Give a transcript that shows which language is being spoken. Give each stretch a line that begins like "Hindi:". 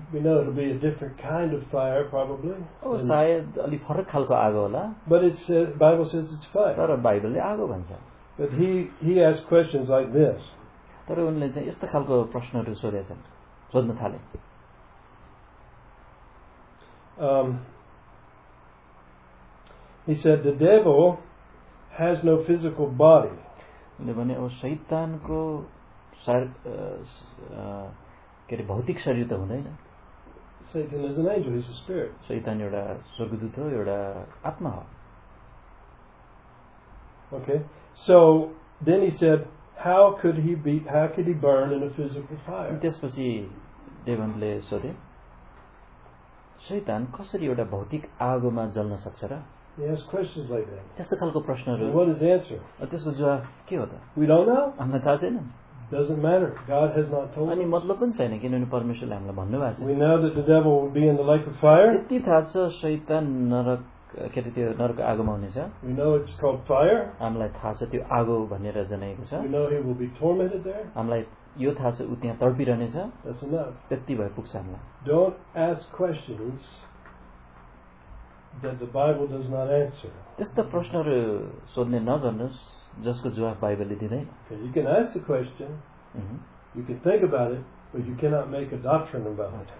English: We know it'll be a different kind of fire probably.
Nepali: अब सायद अलि फरक खालको आगो होला.
English: But it's Bible says it's fire.
Nepali: तर बाइबलले आगो भन्छ.
English: But he asked questions like this.
Nepali: तर उनले चाहिँ यस्तो खालको प्रश्नहरू सोधेछन् सोध्न थाले.
English: He said the devil has no physical body.
Nepali: उनले भने ओ शैतानको के अरे भौतिक शरीर त हुँदैन.
English: Satan is an angel, he's a spirit.
Nepali: शैतान एउटा स्वर्गदूत हो एउटा आत्मा हो.
English: Okay. So then he said how could he burn in a physical fire?
Nepali: त्यसपछि देवनले सोधे शैतान कसरी एउटा भौतिक आगोमा जल्न सक्छ र.
English: Yes, questions like that.
Nepali: त्यस्तो खालको प्रश्नहरू.
English: What is the answer?
Nepali: त्यसको जवाफ के हो त.
English: We don't know.
Nepali: हामीलाई थाहा छैन.
English: Doesn't matter. God has not told us.
Nepali: अनि मतलब पनि छैन किनभने परमेश्वरले हामीलाई भन्नुभएको छ.
English: We know that the devil will be in the lake of fire.
Nepali: त्यति थाहा छ शैतान नरक के अरे त्यो नरक आगोमा हुनेछ.
English: We know it's called fire.
Nepali: हामीलाई थाहा छ त्यो आगो भनेर जनाएको छ.
English: We know he will be tormented there.
Nepali: हामीलाई यो थाहा छ ऊ त्यहाँ तडपिरहनेछ.
English: That's enough.
Nepali: त्यति भए पुग्छ हामीलाई.
English: Don't ask questions that the Bible does not answer.
Nepali: त्यस्तो प्रश्नहरू सोध्ने नगर्नुहोस् जसको जवाफ बाइबलले दिँदैन.
English: You can ask the question. You can think about it, but you cannot make a doctrine about it.